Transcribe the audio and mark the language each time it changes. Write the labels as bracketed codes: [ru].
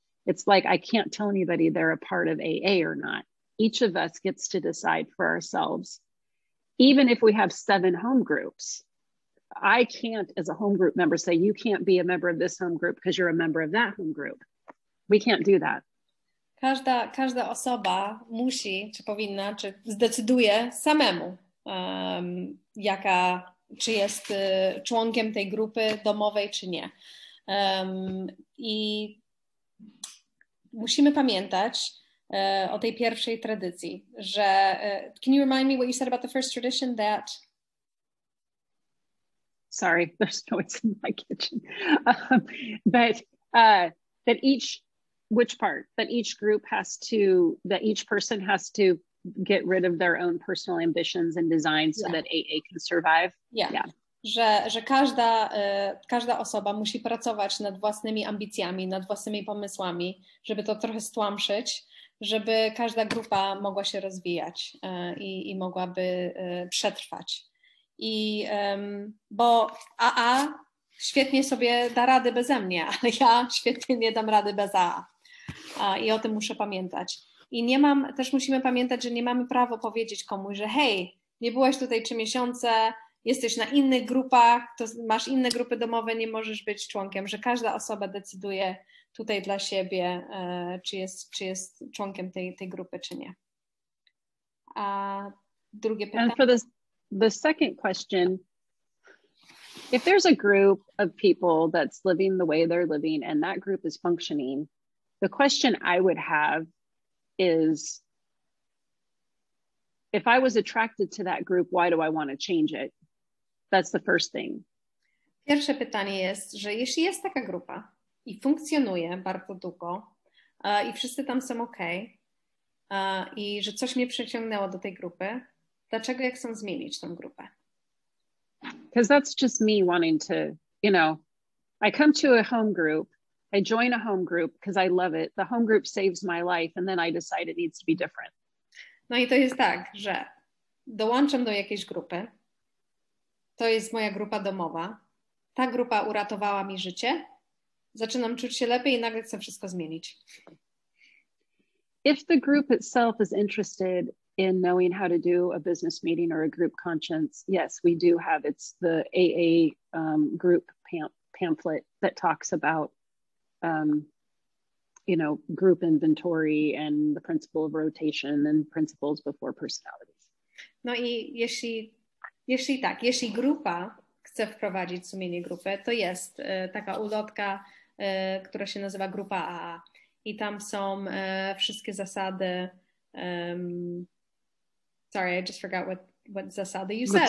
[en] It's like, I can't tell anybody they're a part of AA or not. Each of us gets to decide for ourselves. Even if we have 7 home groups, I can't, as a home group member, say you can't be a member of this home group because you're a member of that home group. We can't do that. [pl] Każda osoba musi, czy powinna, czy zdecyduje samemu, jaka, czy jest członkiem tej grupy domowej, czy nie. I musimy pamiętać o tej pierwszej tradycji, że... [en] can you remind me what you said about the first tradition that... Sorry, there's noise in my kitchen. But that each... Which part? That each group has to... That each person has to... get rid of their own personal ambitions and designs so that AA can survive. Yeah. Yeah. [pl] Że każda osoba musi pracować nad własnymi ambicjami, nad własnymi pomysłami, żeby to trochę stłamszyć, żeby każda grupa mogła się rozwijać i mogłaby przetrwać. I bo AA świetnie sobie da rady beze mnie, ale ja świetnie nie dam rady bez AA. I o tym muszę pamiętać. I nie mam, też musimy pamiętać, że nie mamy prawa powiedzieć komuś, że hej, nie byłeś tutaj 3 miesiące, jesteś na innych grupach, to masz inne grupy domowe, nie możesz być członkiem, że każda osoba decyduje tutaj dla siebie, czy jest członkiem tej grupy, czy nie. A drugie pytanie. [en] And for the second question, if there's a group of people that's living the way they're living and that group is functioning, the question I would have is, if I was attracted to that group, why do I want to change it? That's the first thing. [pl] Pierwsze pytanie jest, że jeśli jest taka grupa i funkcjonuje bardzo długo i wszyscy tam są okej i że coś mnie przyciągnęło do tej grupy, dlaczego ja chcę zmienić tą grupę? [en] Because that's just me wanting to, you know, I come to a home group, I join a home group because I love it. The home group saves my life and then I decide it needs to be different. [pl] No i to jest tak, że dołączam do jakiejś grupy, to jest moja grupa domowa, ta grupa uratowała mi życie, zaczynam czuć się lepiej i nagle chcę wszystko zmienić. [en] If the group itself is interested in knowing how to do a business meeting or a group conscience, yes, we do have, it's the AA group pamphlet that talks about, you know, group inventory and the principle of rotation and principles before personalities. [pl] No i jeśli grupa chce wprowadzić sumienie grupy, to jest taka ulotka, która się nazywa grupa AA i tam są wszystkie zasady. [en] Sorry, I just forgot what zasady you said.